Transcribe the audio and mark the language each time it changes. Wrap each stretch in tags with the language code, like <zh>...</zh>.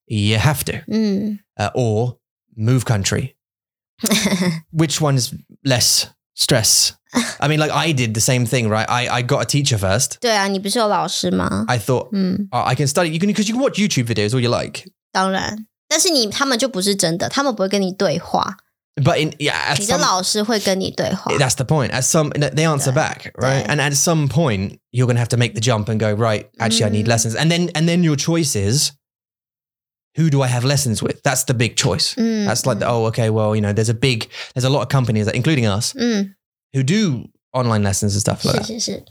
<en>You have to. Or move country. Which one's less stress? I mean, like I did the same thing, right? I got a teacher first.</en> <zh>对啊,你不是有老师吗?</zh> <en>I thought, I can study, because you can watch YouTube videos all you like.</en> <zh>当然,但是他们就不是真的,他们不会跟你对话。</zh> <en>But in, yeah,</en> <zh>你的老师会跟你对话。</zh> <en>That's the point. They answer back, right? And at some point, you're going to have to make the jump and go, right, actually, I need lessons. And then your choice is, who do I have lessons with? That's the big choice. That's like, there's a lot of companies, that, including us, who do online lessons and stuff like that.</en>